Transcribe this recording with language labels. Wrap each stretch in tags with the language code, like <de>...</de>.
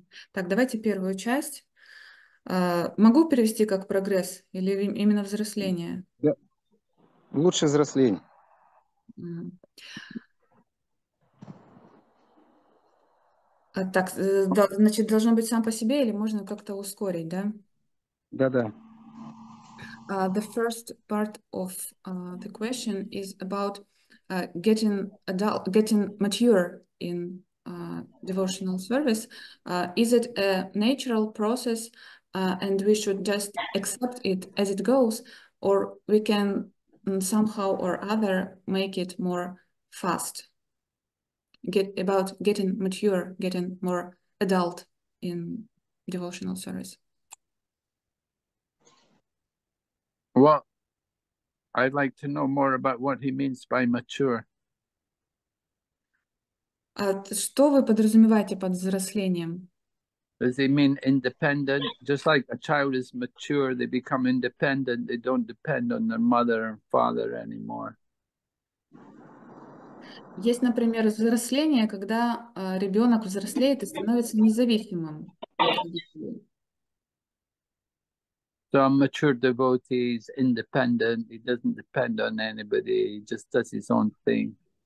<ru>Так, давайте первую часть. Могу перевести как прогресс или именно взросление? Да. Лучше взросление. Так, значит, должно быть сам по себе или можно как-то ускорить, да? Да-да.</ru> <en>The first part of the question is about getting adult, getting mature in devotional service. Is it a natural process and we should just accept it as it goes, or we can somehow or other make it more fast? Get about getting mature, getting more adult in devotional service. Well, I'd like to know more about what he means by mature.</en> <ru>Что вы подразумеваете под взрослением?</ru> <en>Does he mean independent? Just like a child is mature, they become independent, they don't depend on their mother and father anymore.</en> <ru>Есть, например, взросление, когда ребенок взрослеет и становится независимым.</ru> <en>So a mature devotee is independent, he doesn't depend on anybody, he just does his own thing.</en>